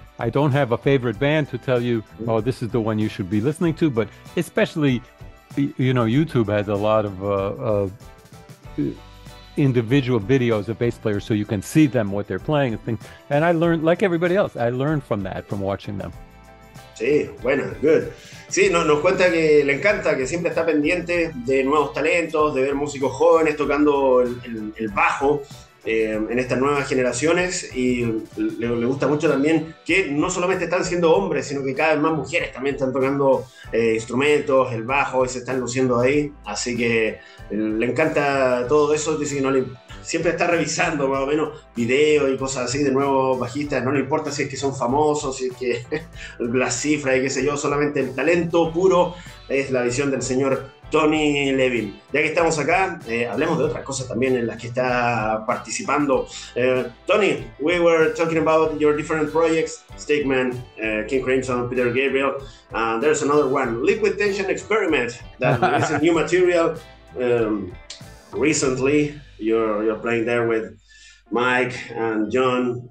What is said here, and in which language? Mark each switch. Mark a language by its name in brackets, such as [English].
[English] I don't have a favorite band to tell you, oh, this is the one you should be listening to, but especially, you know, YouTube has a lot of individual videos of bass players, so you can see them, what they're playing and things. And I learned, like everybody else, I learned from that, from watching them. [Spanish] Sí, bueno, [English] good. [Spanish] Sí, nos cuenta que le encanta, que siempre está pendiente de nuevos talentos, de ver músicos jóvenes tocando el bajo. En estas nuevas generaciones, y le gusta mucho también que no solamente están siendo hombres, sino que cada vez más mujeres también están tocando instrumentos, el bajo, y se están luciendo ahí, así que le encanta todo eso. Dice que siempre está revisando más o menos videos y cosas así de nuevos bajistas, no le importa si es que son famosos, si es que las cifras y qué sé yo, solamente el talento puro es la visión del señor Tony Levin. Ya que estamos acá, hablemos de otras cosas también en las que está participando. [English] Tony, we were talking about your different projects, Stigman, King Crimson, Peter Gabriel. There's another one, Liquid Tension Experiment, that is a new material. Recently, you're playing there with Mike and John.